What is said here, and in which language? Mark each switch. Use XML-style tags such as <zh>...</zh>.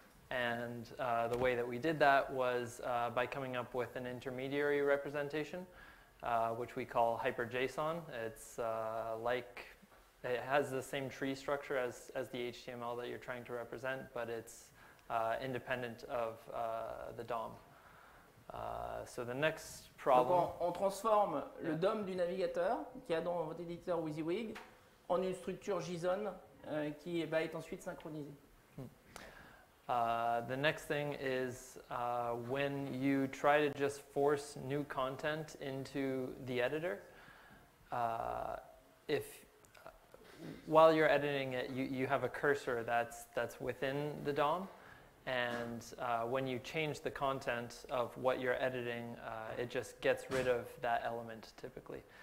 <en>And the way that we did that was by coming up with an intermediary representation, which we call HyperJSON. It's like, it has the same tree structure as the HTML that you're trying to represent, but it's independent of the DOM. So the next problem.</en> <fr>Donc on transforme le DOM du navigateur, qui est dans votre éditeur WYSIWYG, en une structure JSON qui va être ensuite synchronisée.</fr> <en>The next thing is when you try to just force new content into the editor, if while you're editing it, you have a cursor that's within the DOM, and when you change the content of what you're editing, it just gets rid of that element typically.</en>